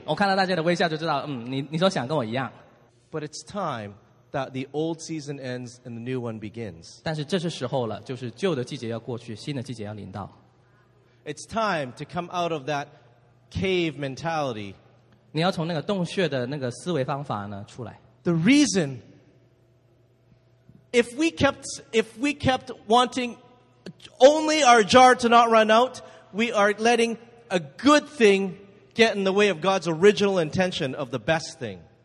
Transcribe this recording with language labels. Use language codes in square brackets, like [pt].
[zh] 我看到大家的微笑就知道, 你说想跟我一样。 [en] But it's time that the old season ends and the new one begins. [zh] 但是这是时候了, 就是旧的季节要过去, 新的季节要临到。 [en] It's time to come out of that cave mentality. [zh] 你要从那个洞穴的那个思维方法呢, 出来。 [en] The reason, if we kept wanting only our jar to not run out, we are letting a good thing get in the way of God's original intention of the best thing.